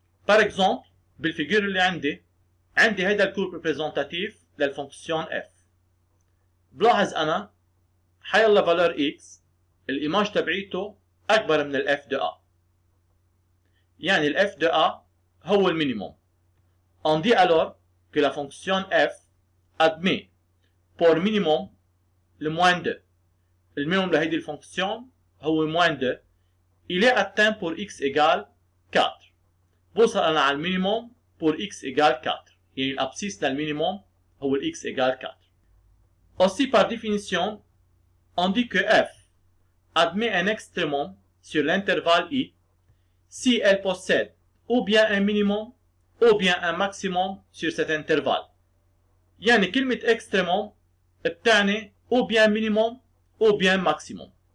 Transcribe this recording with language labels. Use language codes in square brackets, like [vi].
[ar] par exemple بالفيجور اللي عندي عندي هيدا الكورب ريبريزنتاتيف للفونكسيون f. بلاحظ انا حيلا فالور x الايماج تبعيته اكبر من ال f دو a، يعني ال f دو a هو المينيموم. [fr] on dit alors que la fonction f admet pour minimum le moins 2. [ar] المينيموم لهيدي الفونكسيون هو moins 2 [fr] il est atteint pour x égal 4. [ar] بوصل انا على المينيموم pour x égale 4. يعني الابسيس للمينيموم هو x égale 4. [fr] aussi par définition on dit que f admet un extremum sur l'intervalle i si elle possède ou bien un minimum ou bien un maximum sur cet intervalle. [ar] يعني كلمة extremum بتعني [fr] ou bien minimum ou bien maximum.